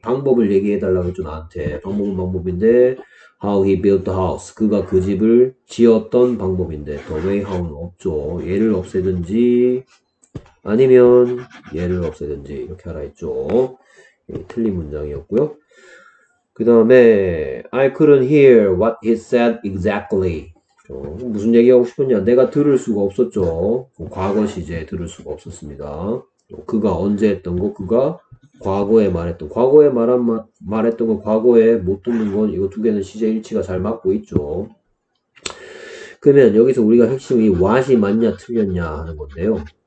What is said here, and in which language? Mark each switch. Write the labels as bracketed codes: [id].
[ko] 방법을 얘기해 달라고 했죠. 나한테. 방법은 방법인데 [en] How he built the house. [ko] 그가 그 집을 지었던 방법인데 the way how는 없죠. 얘를 없애든지 아니면 얘를 없애든지 이렇게 하라 했죠. 예, 틀린 문장이었고요. 그 다음에 [en] I couldn't hear what he said exactly. [ko] 무슨 얘기하고 싶었냐? 내가 들을 수가 없었죠. 과거 시제에 들을 수가 없었습니다. 그가 언제 했던 거? 그가 과거에 말했던 과거에 말했던 거 과거에 못 듣는 건 이거 두 개는 시제 일치가 잘 맞고 있죠. 그러면 여기서 우리가 핵심이 what이 맞냐 틀렸냐 하는 건데요.